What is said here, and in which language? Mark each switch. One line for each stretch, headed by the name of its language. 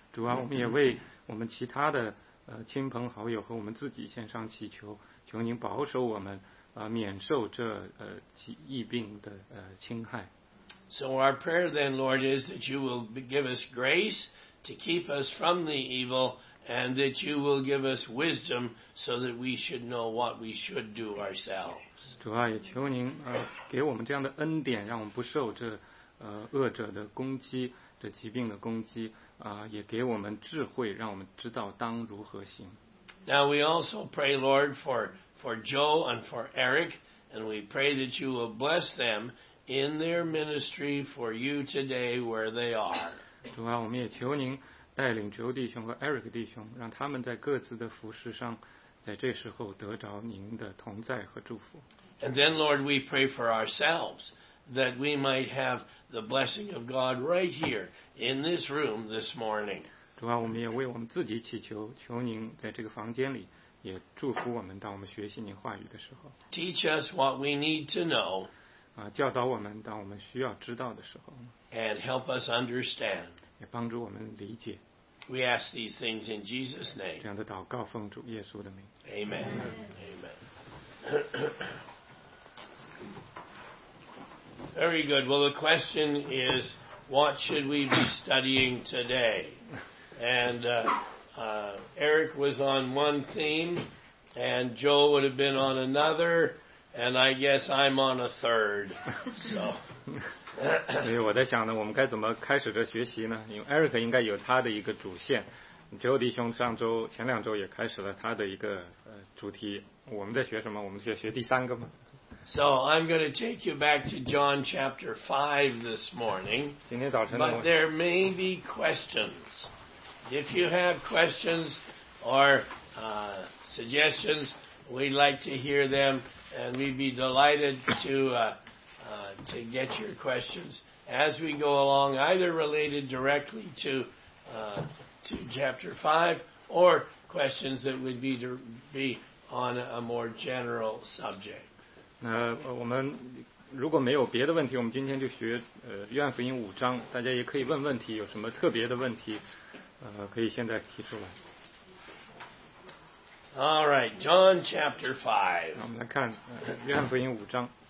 Chinese: 主啊，我们也为我们其他的亲朋好友和我们自己献上祈求，求您保守我们免受这疫病的侵害。
English: So our prayer then, Lord, is that you will give us grace to keep us from the evil and that you will give us wisdom so that we should know what we should do ourselves.
Chinese: 主啊，也求您给我们这样的恩典，让我们不受这恶者的攻击，这疾病的攻击，也给我们智慧，让我们知道当如何行。
English: Now we also pray, Lord, for Joe and for Eric, and we pray that you will bless them in their ministry for you today where they are.
Chinese: 主啊，我们也求您带领 Joe 弟兄和 Eric 弟兄，让他们在各自的服事上在这时候得着您的同在和祝福。
English: And then, Lord, we pray for ourselves that we might have the blessing of God right here in this room this morning.
Chinese: 主啊，我们也为我们自己祈求，求您在这个房间里也祝福我们，当我们学习您话语的时候。
English: Teach us what we need to know.
Chinese: 教导我们，当我们需要知道的时候。
English: And help us understand.
Chinese: 也帮助我们理解。
English: We ask these things in Jesus' name.
Chinese: 这样的祷告奉主耶稣的名。
English: Amen. Amen. Very good. Well, the question is, what should we be studying today? And Eric was on one theme, and Joe would have been on another, and I guess I'm on a third. So.
Chinese: 所以我在想呢，我们该怎么开始这学习呢？因为 Eric 应该有他的一个主线 ，Joe 弟兄上周前两周也开始了他的一个主题。我们在学什么？我们学第三个吗？
English: So I'm going to take you back to John chapter 5 this morning.
Chinese: 今天早晨
English: 的。But there may be questions. If you have questions or suggestions, we'd like to hear them, and we'd be delighted to get your questions as we go along, either related directly to chapter 5 or questions that would be on a more general subject.
Chinese: 那我们如果没有别的问题，我们今天就学约翰福音五章。大家也可以问问题，有什么特别的问题，可以现在提出来。
English: All right, John chapter 5.
Chinese: 我们来看约翰福音五章。